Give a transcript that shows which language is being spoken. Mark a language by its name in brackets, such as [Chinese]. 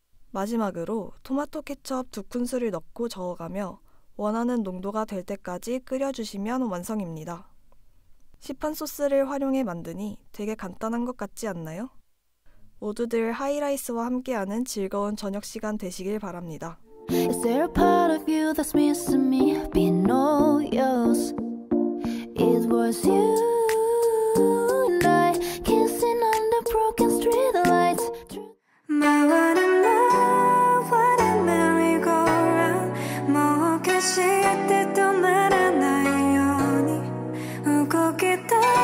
[Korean] 마지막으로 토마토 케첩 2큰술을 넣고 저어가며 원하는 농도가 될 때까지 끓여주시면 완성입니다. 시판 소스를 활용해 만드니 되게 간단한 것 같지 않나요? 모두들 하이라이스와 함께하는 즐거운 저녁 시간 되시길 바랍니다. [English] Is there a part of you that's missing me? Been all yours. It was you and I kissing on the broken street lights. My heart and love, what a merry-go-round. 뭐 같이 할 때도 말하나요, 연이 웃고 기다